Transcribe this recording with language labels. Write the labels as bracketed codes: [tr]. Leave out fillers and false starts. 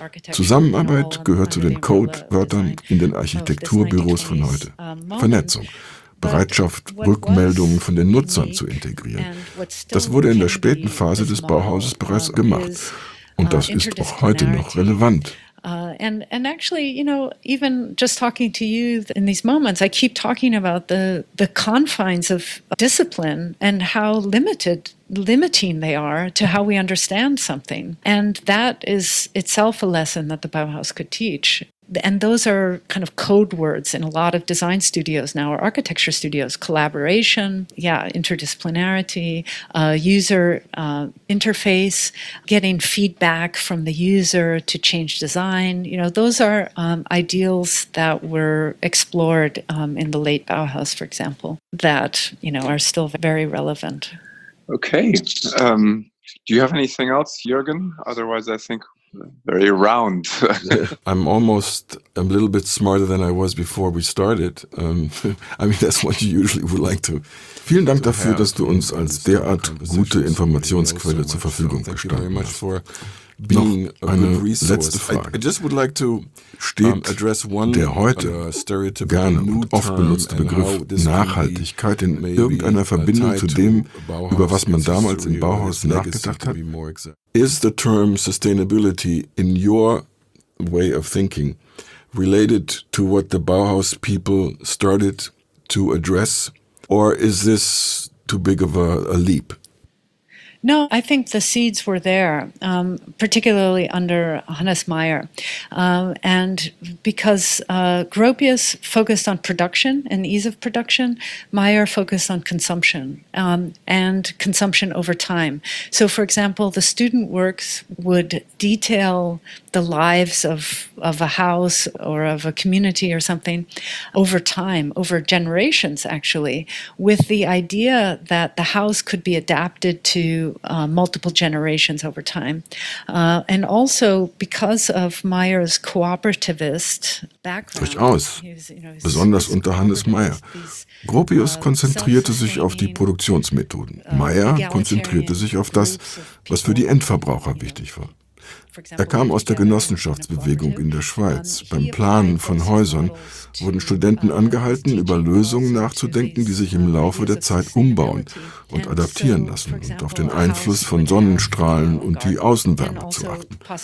[de] Zusammenarbeit gehört zu den Codewörtern in den Architekturbüros von heute. Vernetzung, Bereitschaft, Rückmeldungen von den Nutzern zu integrieren. Das wurde in der späten Phase des Bauhauses bereits gemacht. Und das ist auch heute noch relevant. [en] And actually, you know, even just talking to you in these moments, I keep talking about the confines of discipline and how limiting they are to how we understand something. And that is itself a lesson that the Bauhaus could teach. And those are kind of code words in a lot of design studios now, or architecture studios. Collaboration, yeah, interdisciplinarity, user interface, getting feedback from the user to change design. You know, those are ideals that were explored in the late Bauhaus, for example, that, you know, are still very relevant. Okay. Do you have anything else, Jürgen? Otherwise, I think... Very round. I'm almost a little bit smarter than I was before we started. I mean, that's what you usually would like to. [de] Vielen Dank dafür, dass du uns als derart gute Informationsquelle zur Verfügung gestanden hast. Being noch eine letzte Frage. [en] I just would like to [de] steht [en] address one, [de] der heute gern und oft benutzte Begriff Nachhaltigkeit in irgendeiner Verbindung zu dem, über was man damals im Bauhaus nachgedacht hat? [en] Is the term sustainability in your way of thinking related to what the Bauhaus people started to address, or is this too big of a leap? No, I think the seeds were there, particularly under Hannes Meyer. And because Gropius focused on production and ease of production, Meyer focused on consumption and consumption over time. So, for example, the student works would detail the lives of a house or of a community or something over time, over generations, actually, with the idea that the house could be adapted to multiple generations over time. And also because of Meyer's cooperativist background. [de] Durchaus, besonders unter Hannes Meyer. Gropius konzentrierte sich auf die Produktionsmethoden. Meyer konzentrierte sich auf das, was für die Endverbraucher wichtig war. Er kam aus der Genossenschaftsbewegung in der Schweiz. Beim Planen von Häusern wurden Studenten angehalten, über Lösungen nachzudenken, die sich im Laufe der Zeit umbauen und adaptieren lassen und auf den Einfluss von Sonnenstrahlen und die Außenwärme zu achten.